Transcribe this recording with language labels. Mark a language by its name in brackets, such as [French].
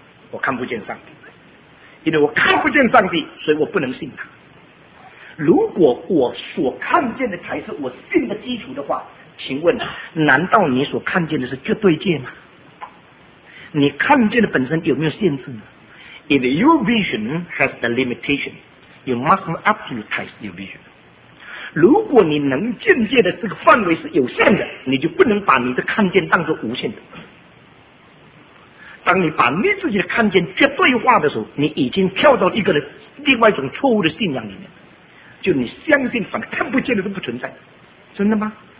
[Chinese] 我看不见上帝，因为我看不见上帝，所以我不能信他。如果我所看见的才是我信的基础的话，请问难道你所看见的是绝对界吗？你看见的本身有没有限制呢？ [English] If your vision has the limitation, you mustn't absolutize your vision. [Chinese] 如果你能见界的这个范围是有限的，你就不能把你的看见当作无限的。当你把你自己的看见绝对化的时候，你已经跳到一个另外一种错误的信仰里面，就你相信反正看不见的都不存在。真的吗？